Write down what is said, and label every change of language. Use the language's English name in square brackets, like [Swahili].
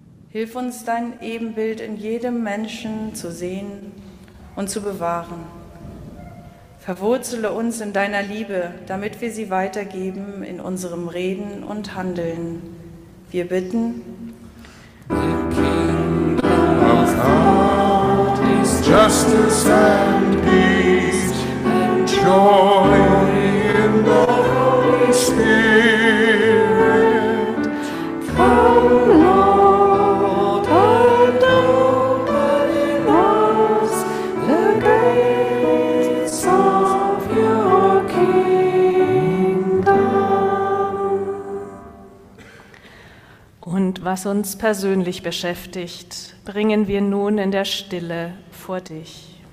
[German] Hilf uns, dein Ebenbild in jedem Menschen zu sehen und zu bewahren. Verwurzele uns in deiner Liebe, damit wir sie weitergeben in unserem Reden und Handeln. Wir bitten. [English] The kingdom of God is justice and peace. Joy in the Holy Spirit. Come, Lord, and open in us the gates of your kingdom. [German] Und was uns persönlich beschäftigt, bringen wir nun in der Stille vor dich.